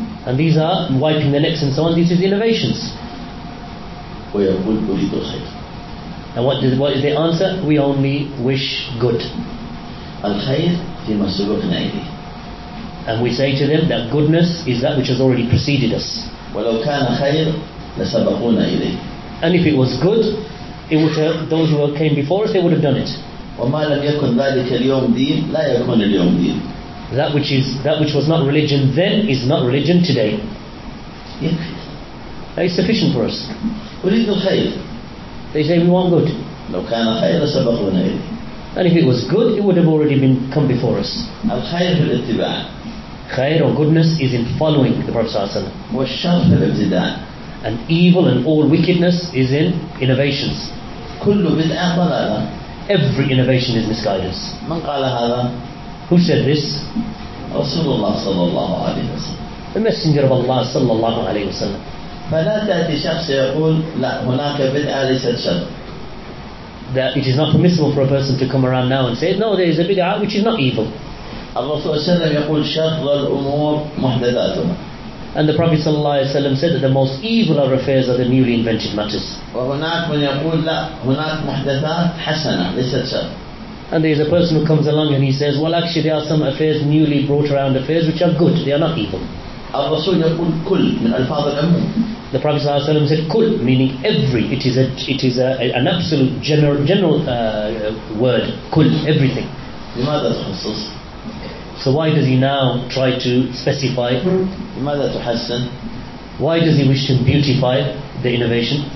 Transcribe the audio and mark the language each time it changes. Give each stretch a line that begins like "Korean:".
English: And these are wiping their necks and so on. These are innovations.
Arabic: ويقول أريد الخير.
English: And what is their answer? We only wish good.
Arabic: الخير فيما سبقنا إليه.
English: And we say to them that goodness is that which has already preceded us.
Arabic: ولو كان خير لسبقونا إليه.
English: And if it was good, it would have, those who came before us, they would have done it.
Arabic: وما لم يكن ذلك اليوم دين لا يكون اليوم دين.
English: That which was not religion then is not religion today. Yeah. That is sufficient for us.
Arabic: أريد الخير.
English: They say we want good.
Arabic: لو كان خير سبقونا إليه.
English: And if it was good, it would have already been come before us.
Arabic: الخير في الاتباع.
English: خير or goodness is in following the Prophet
Arabic: صلى الله عليه وسلم. والشر في الابتداع.
English: And evil and all wickedness is in innovations.
Arabic: كل بدعة ضلالة.
English: Every innovation is misguidance.
Arabic: من قال هذا؟
English: Who said this?
Arabic: رسول الله صلى الله عليه وسلم.
English: The Messenger of Allah
Arabic: صلى الله عليه وسلم. فلا تأتي شخص يقول لا هناك بدعة ليست شر.
English: That it is not permissible for a person to come around now and say no, there is a bid'ah which is not evil.
Arabic: الرسول صلى الله عليه وسلم يقول شر الأمور محدثاتها.
English: And the Prophet
Arabic: صلى الله عليه وسلم
English: said that the most evil of affairs are the newly invented matters.
Arabic: وهناك من يقول لا هناك محدثات حسنة ليست شر.
English: And there is a person who comes along and he says, well, actually there are some affairs newly brought around affairs which are good. They are not evil.
Arabic: الرسول يقول كل من ألفاظ العموم.
English: The Prophet
Arabic: صلى الله عليه وسلم
English: said كل, meaning every. It is an absolute general word. كل, everything.
Arabic: لماذا تخصص؟
English: So why does he now try to specify?
Arabic: لماذا تحسن?
English: Why does he wish to beautify the innovation?